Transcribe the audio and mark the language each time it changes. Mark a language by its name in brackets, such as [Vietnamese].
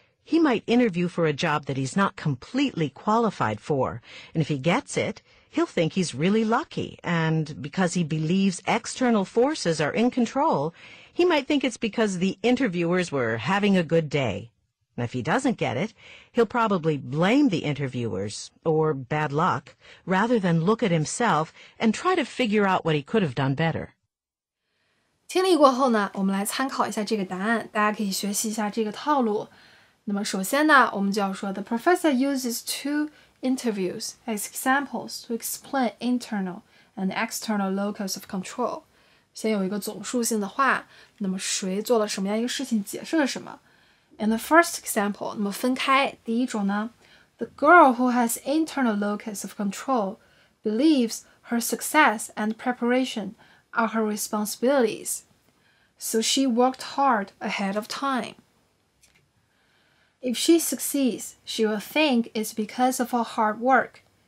[English] He might interview for a job that he's not completely qualified for, and if he gets it, he'll think he's really lucky, and because he believes external forces are in control, he might think it's because the interviewers were having a good day. And if he doesn't get it, he'll probably blame the interviewers, or bad luck, rather than look at himself and try to figure out what he could have done better. [Chinese] 听力过后呢，我们来参考一下这个答案，大家可以学习一下这个套路。那么首先呢，我们就要说 [English] The professor uses two interviews as examples to explain internal and external locus of control. [Chinese] 先有一个总数性的话，那么谁做了什么样一个事情解释了什么。 [English] In the first example, [Chinese] 那么分开第一种呢 [English] The girl who has internal locus of control believes her success and preparation are her responsibilities. So she worked hard ahead of time. If she succeeds, she will think it's because of her hard work.